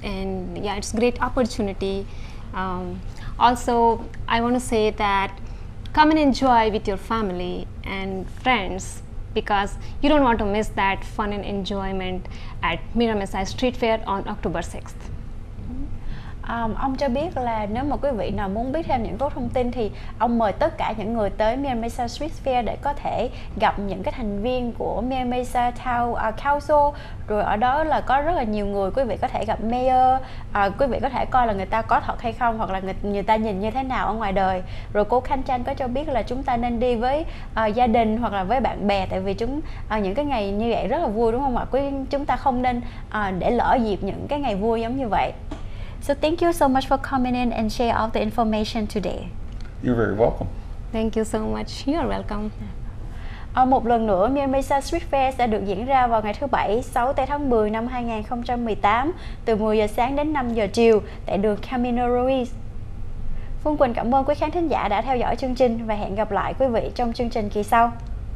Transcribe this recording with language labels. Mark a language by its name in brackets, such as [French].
[English] And yeah, it's a great opportunity. Also, I want to say that come and enjoy with your family and friends, because you don't want to miss that fun and enjoyment at Mira Mesa Street Fair on October 6th. [Vietnamese] Ông cho biết là nếu mà quý vị nào muốn biết thêm những cái thông tin thì ông mời tất cả những người tới Mira Mesa Street Fair để có thể gặp những cái thành viên của Mira Mesa Town Council. Rồi ở đó là có rất là nhiều người, quý vị có thể gặp mayor, quý vị có thể coi là người ta có thật hay không, hoặc là người ta nhìn như thế nào ở ngoài đời. Rồi cô Khanh Trang có cho biết là chúng ta nên đi với gia đình hoặc là với bạn bè, tại vì chúng những cái ngày như vậy rất là vui, đúng không ạ? Chúng ta không nên để lỡ dịp những cái ngày vui giống như vậy. [English] So thank you so much for coming in and share all the information today. You're very welcome. Thank you so much. You're welcome. [Vietnamese] Một lần nữa, Myanmar Street Fair sẽ được diễn ra vào ngày thứ Bảy, 6 tháng 10 năm 2018, từ 10 giờ sáng đến 5 giờ chiều tại đường Camino Ruiz. Phương Quỳnh cảm ơn quý khán thính giả đã theo dõi chương trình và hẹn gặp lại quý vị trong chương trình kỳ sau.